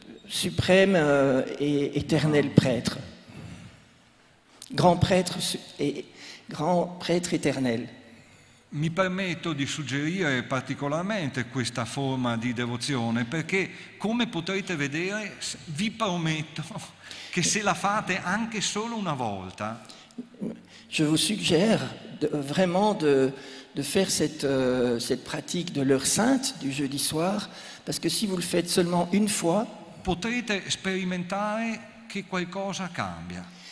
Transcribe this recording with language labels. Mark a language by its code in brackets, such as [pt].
[fr] suprême et éternel prêtre. Grand prêtre et grand prêtre éternel. [it] Mi permetto di suggerire particolarmente questa forma di devozione perché, come potrete vedere, vi prometto che se la fate anche solo una volta. [fr] Je vous suggère vraiment de faire cette pratique de l'heure sainte du jeudi soir parce que si vous le faites seulement une fois, [it] potrete sperimentare che qualcosa cambia.